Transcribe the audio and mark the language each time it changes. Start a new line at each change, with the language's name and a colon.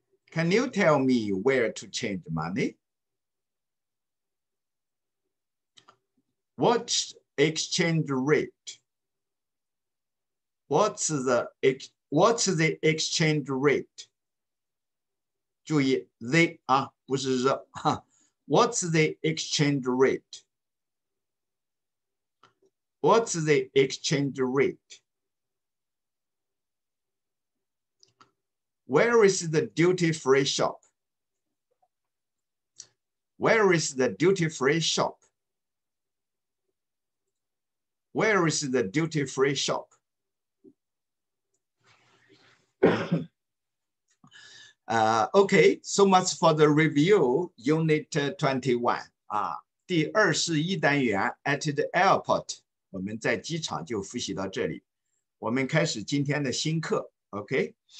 English: Can you tell me where to change money? What's exchange rate? What's the exchange rate?
Chinese: 注意 the 啊，不是 the 哈。
English: What's the exchange rate? What's the exchange rate? Where is the duty free shop? Where is the duty free shop? Where is the duty-free shop? 、okay, so much for the review, Unit 21.
Chinese: 第二十一单元
English: at the airport.
Chinese: 我们在机场就复习到这里。我们开始今天的新课 okay?